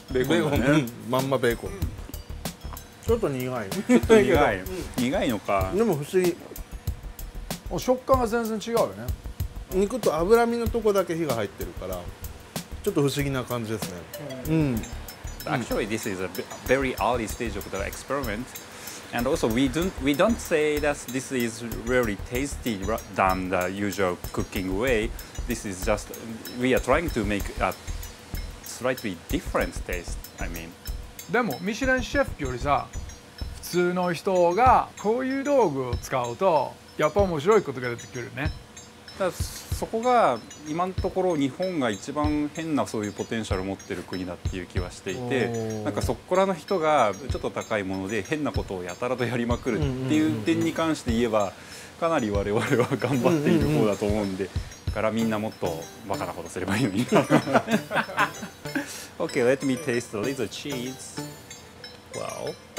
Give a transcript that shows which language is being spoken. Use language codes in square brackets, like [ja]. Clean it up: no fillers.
[ja] ベーコンだね、うん、まんまベーコンちょっと苦いちょっと苦い苦いのかでも不思議食感が全然違うよね肉と脂身のとこだけ火が入ってるからちょっと不思議な感じですね、うん、 [en] Actually, this is a very early stage of the experiment and also we don't say that this is really tasty than the usual cooking way this is just we are trying to make a slightly different taste I mean [ja] でもミシュランシェフよりさ普通の人がこういう道具を使うとやっぱ面白いことが出てくるねだそこが今のところ日本が一番変なそういうポテンシャルを持ってる国だっていう気はしていてなんかそこらの人がちょっと高いもので変なことをやたらとやりまくるっていう点に関して言えばかなり我々は頑張っている方だと思うんでだからみんなもっとバカなことすればいいのに [en] OK, let me taste a little cheese Wow